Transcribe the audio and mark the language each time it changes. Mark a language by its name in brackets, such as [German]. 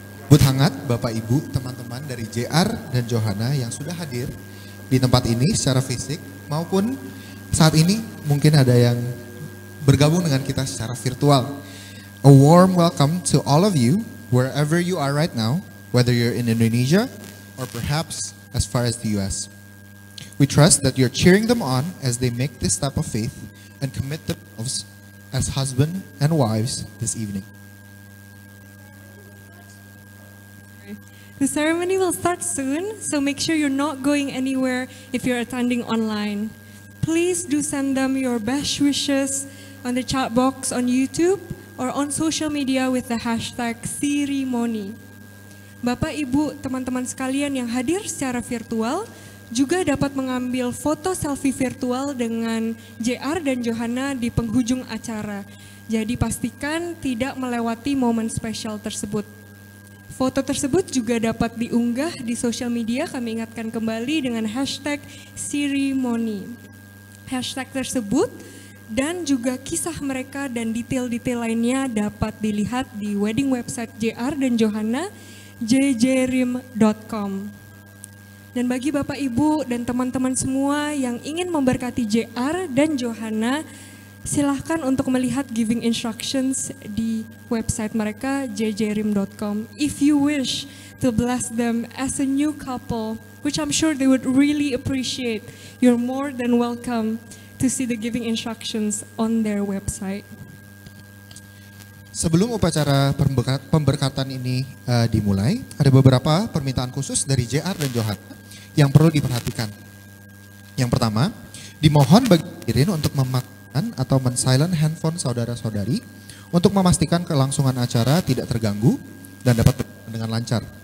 [Indonesian] But hangat, Bapak Ibu, teman-teman dari JR dan Johanna yang sudah hadir di tempat ini secara fisik, maupun saat ini mungkin ada yang bergabung dengan kita secara virtual. [English] A warm welcome to all of you, wherever you are right now, whether you're in Indonesia or perhaps as far as the US. We trust that you're cheering them on as they make this step of faith and commit themselves as husband and wives this evening. The ceremony will start soon, so make sure you're not going anywhere if you're attending online. Please do send them your best wishes on the chat box on YouTube or on social media with the hashtag #ceremony. [Indonesian] Bapak, Ibu, teman-teman sekalian yang hadir secara virtual juga dapat mengambil foto selfie virtual dengan JR dan Johanna di penghujung acara. Jadi pastikan tidak melewati momen spesial tersebut. Foto tersebut juga dapat diunggah di social media, kami ingatkan kembali, dengan hashtag #ceremony. Hashtag tersebut dan juga kisah mereka dan detail-detail lainnya dapat dilihat di wedding website JR dan Johanna, jjrim.com. Dan bagi Bapak Ibu dan teman-teman semua yang ingin memberkati JR dan Johanna, silahkan untuk melihat giving instructions di website mereka, jjrim.com. [English] If you wish to bless them as a new couple, which I'm sure they would really appreciate, you're more than welcome to see the giving instructions on their website. [Indonesian] Sebelum upacara pemberkatan ini dimulai, ada beberapa permintaan khusus dari JR dan Johanna yang perlu diperhatikan. Yang pertama, dimohon bagi hadirin untuk mematikan atau men-silent handphone saudara-saudari untuk memastikan kelangsungan acara tidak terganggu dan dapat berjalan dengan lancar.